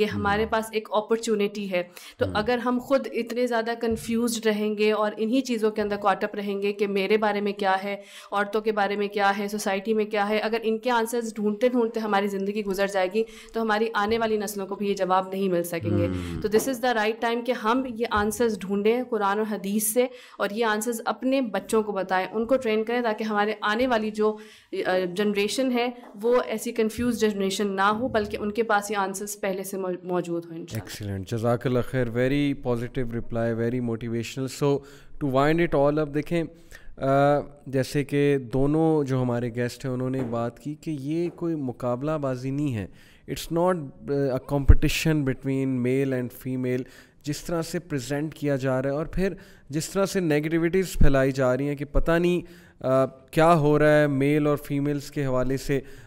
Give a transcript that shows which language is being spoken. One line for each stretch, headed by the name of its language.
Urdu: یہ ہمارے پاس ایک اپرچونیٹی ہے. تو اگر ہم خود اتنے زیادہ کنفیوزڈ رہیں گے اور انہی چیزوں کے اندر کاٹ اپ رہیں گے کہ میرے بارے میں کیا ہے, عورتوں کے بارے میں کیا ہے, سوسائٹی میں کیا ہے, اگر ان کے آنسرز ڈھونڈتے ڈھونڈتے ہماری زندگی گزر جائے گی تو ہماری آنے والی نسلوں کو بھی یہ جواب نہیں مل سکیں گے. تو
English: this is the right time
Urdu: کہ ہم یہ آنسرز ڈھونڈیں قرآن و حدیث سے, اور یہ آنسرز اپنے بچوں کو بتائیں, ان کو ٹرین کریں تاکہ ہمارے آنے والی جو جنریشن ہے وہ ایسی کنفیوز جنریشن نہ ہو, بلکہ ان کے پاس یہ آنسرز پہلے سے موجود ہوں.
English: Excellent, جزاک اللہ خیر, very positive reply, very motivational. So to wind it all up,
Urdu: دیکھیں جیسے کہ دونوں جو ہمارے گیسٹ ہیں انہوں نے بات کی کہ یہ کوئی مقابلہ بازی نہیں ہے,
English: it's not a competition between male and female,
Urdu: جس طرح سے پریزنٹ کیا جا رہا ہے اور پھر جس طرح سے نگیٹیوٹیز پھیلائی جا رہی ہیں کہ پتہ نہیں کیا ہو رہا ہے میل اور فیمیلس کے حوالے سے.